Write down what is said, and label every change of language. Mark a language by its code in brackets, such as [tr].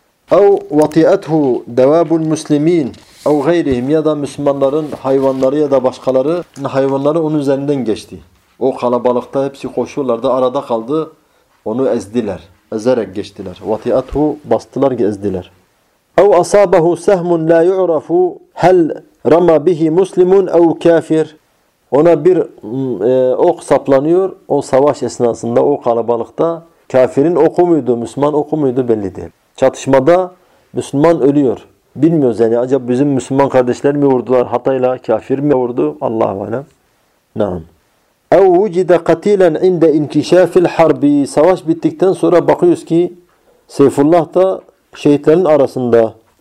[ar] اَوْ وَطِئَتْهُ دَوَابُ الْمُسْلِم۪ينَ اَوْ غَيْرِهِمْ [tr] ya da Müslümanların hayvanları ya da başkaları hayvanları onun üzerinden geçti. O kalabalıkta hepsi koşuyorlardı. Arada kaldı. Onu ezdiler. Ezerek geçtiler. [ar] وَطِئَتْهُ [tr] bastılar ki ezdiler. [ar] اَوْ أَصَابَهُ سَهْمٌ لَا يُعْرَفُ هَلْ رَمَى بِهِ مُسْلِمٌ اَوْ كَافِرٌ [tr] ona bir ok saplanıyor. O savaş esnasında o kalabalıkta kafirin oku muydu, Müslüman oku muydu belli değil. Çatışmada Müslüman ölüyor. Bilmiyoruz yani acaba bizim Müslüman kardeşler mi vurdular hatayla, kafir mi vurdu? Allahu alem. Naam. [ar] اَوْ وُجِدَ قَتِيلًا عِنْدَ اِنْكِشَافِ الْحَرْبِ [tr] savaş bittikten sonra bakıyoruz ki Seyfullah da şehitlerin arasında.